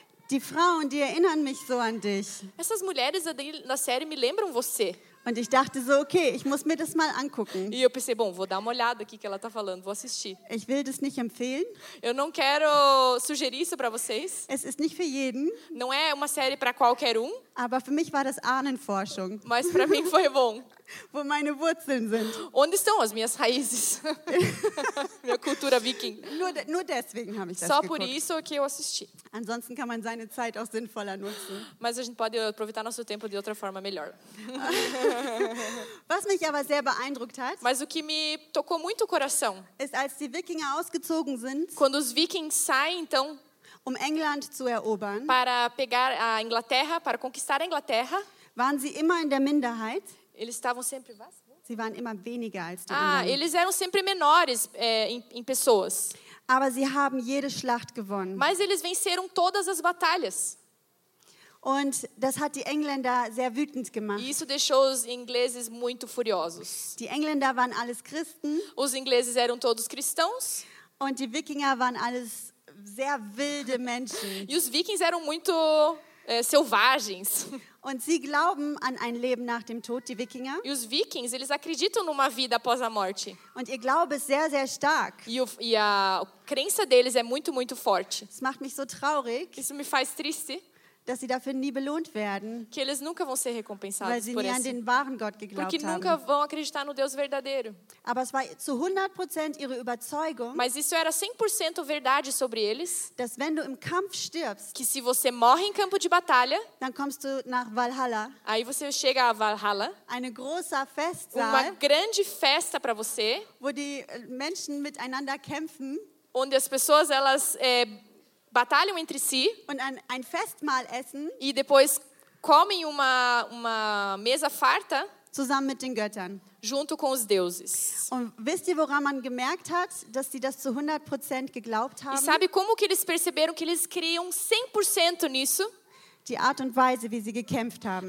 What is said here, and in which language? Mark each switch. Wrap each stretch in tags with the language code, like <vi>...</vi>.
<de>Die Frauen, die erinnern mich so an dich.</de> <pt>Essas mulheres na série me lembram você.</pt> <de>Und ich dachte so, okay, ich muss mir das mal angucken.</de> <pt>E eu pensei, bom, vou dar uma olhada aqui que ela tá falando, vou assistir.</pt> <de>Ich will das nicht empfehlen.</de> <pt>Eu não quero sugerir isso para vocês.</pt> <de>Es ist nicht für jeden.</de> <pt>Não é uma série para qualquer um.</pt> <de>Aber für mich war das Ahnenforschung.</de> <pt>Mas para mim foi bom.</pt> <de>Wo meine Wurzeln sind.</de> <pt>Onde estão as minhas raízes? Minha cultura viking.</pt> <de>Nur deswegen habe ich das</de> <pt>Só</pt> <de>geguckt.</de> <pt>Por isso que eu assisti.</pt> <de>Ansonsten kann man seine Zeit auch sinnvoller nutzen.</de> <pt>Mas a gente pode aproveitar nosso tempo de outra forma melhor.</pt> <de>Was mich aber sehr beeindruckt hat,</de> <pt>mas o que me tocou muito o coração,</pt> <de>ist, als die Wikinger ausgezogen sind,</de> <pt>quando os vikings saem, então,</pt> <de>um England zu erobern,</de> <pt>para pegar a Inglaterra, para conquistar a Inglaterra,</pt> <de>waren sie immer in der Minderheit.</de> <pt>Eles estavam sempre,</pt> <de>was? Sie waren immer weniger als die anderen.</de> <pt>Eles eram sempre menores em pessoas.</pt> <de>Aber sie haben jede Schlacht gewonnen.</de> <pt>Mas eles venceram todas as batalhas.</pt> <de>Und das hat die Engländer sehr wütend gemacht.</de> <pt>Isso deixou os ingleses muito furiosos.</pt> <de>Die Engländer waren alles Christen.</de> <pt>Os ingleses eram todos cristãos.</pt> <de>Und die Wikinger waren alles sehr wilde Menschen.</de> <pt>E os vikings eram muito selvagens.</pt> <de>Und sie glauben an ein Leben nach dem Tod, die Wikinger.</de> <pt>E os vikings, eles acreditam numa vida após a morte.</pt> <de>Und ihr Glaube ist sehr, sehr stark.</de> <pt>E a crença deles é muito, muito forte.</pt> <de>Das macht mich so traurig.</de> <pt>Isso me faz triste.</pt> <de>Dass sie dafür nie belohnt werden.</de> <pt>Que eles nunca vão ser recompensados por isso.</pt> <de>Weil sie nie an den wahren Gott geglaubt haben.</de> <pt>Porque nunca vão acreditar no Deus verdadeiro.</pt> <de>Aber es war zu 100% ihre Überzeugung.</de> <pt>Mas isso era 100% verdade sobre eles.</pt> <de>Dass wenn du im Kampf stirbst.</de> <pt>Que se você morre em campo de batalha.</pt> <de>Dann kommst du nach Valhalla.</de> <pt>Aí você chega a Valhalla.</pt> <de>Eine große Festsaal.</de> <pt>Uma grande festa para você.</pt> <de>Wo die Menschen miteinander kämpfen.</de> <pt>Onde as pessoas elas batalham entre si</pt> <de>und ein Festmahl essen,</de> <pt>e depois comem uma mesa farta</pt> <de>zusammen mit den Göttern.</de> <pt>Junto com os deuses.</pt> <de>Und wisst ihr, woran man gemerkt hat, dass sie das zu 100% geglaubt haben?</de> <pt>E sabe como que eles perceberam que eles criam 100% nisso?</pt> <de>Die Art und Weise, wie sie gekämpft haben.</de>